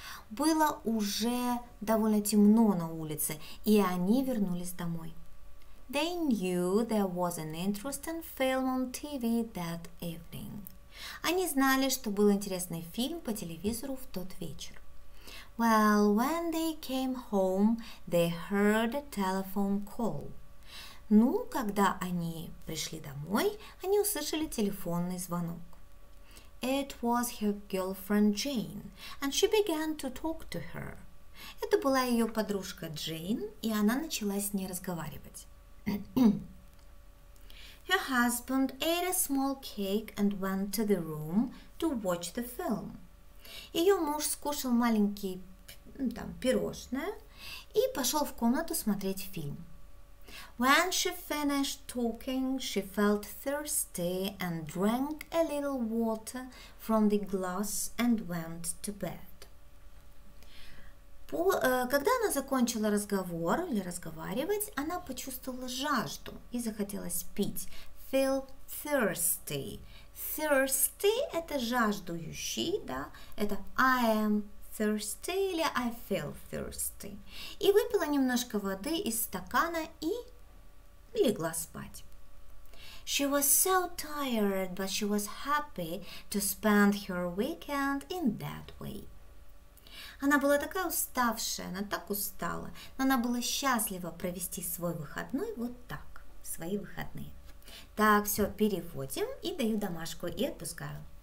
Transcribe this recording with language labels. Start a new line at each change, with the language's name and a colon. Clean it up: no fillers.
Russian: Было уже довольно темно на улице, и они вернулись домой.
English: They knew there was an interesting film on TV that evening.
Russian: Они знали, что был интересный фильм по телевизору в тот вечер.
English: Well, when they came home, they heard a telephone call.
Russian: Ну, когда они пришли домой, они услышали телефонный звонок.
English: It was her girlfriend Jane, and she began to talk to her.
Russian: Это была ее подружка Джейн, и она начала с ней разговаривать.
English: Her husband ate a small cake and went to the room to watch the film.
Russian: Ее муж скушал маленькие пирожное и пошел в комнату смотреть фильм.
English: When she finished talking, she felt thirsty and drank a little water from the glass and went to bed.
Russian: Когда она закончила разговор или разговаривать, она почувствовала жажду и захотела пить.
English: Feel thirsty. Thirsty
Russian: – это жаждующий, да? Это
English: I am thirsty
Russian: или
English: I feel thirsty.
Russian: И выпила немножко воды из стакана и легла спать.
English: She was so tired, but she was happy to spend her weekend in that way.
Russian: Она была такая уставшая, она так устала, но она была счастлива провести свой выходной вот так, свои выходные. Так, все, переводим и даю домашку и отпускаю.